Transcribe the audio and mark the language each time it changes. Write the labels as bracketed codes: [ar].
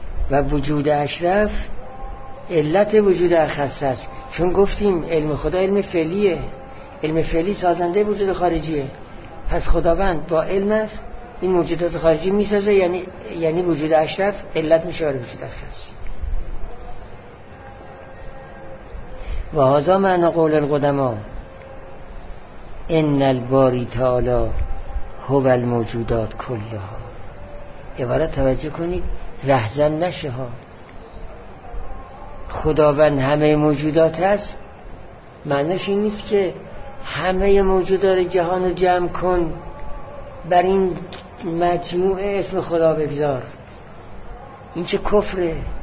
[fa] و وجود اشرف علت وجود اخص است. چون گفتیم علم خدا علم فعلیه، علم فعلی سازنده وجود خارجیه، پس خداوند با علمش این موجودات خارجی میسازه، یعنی وجود اشرف علت میشه برای وجود اخص. [ar] و هزا معنا قول القدما ان الباری تعالی هو الموجودات کلها. [fa] عبارت توجه کنید رهزن نشه ها، خداوند همه موجودات هست معنیش این نیست که همه موجودات جهان رو جمع کن بر این مجموعه اسم خدا بگذار، این چه کفره.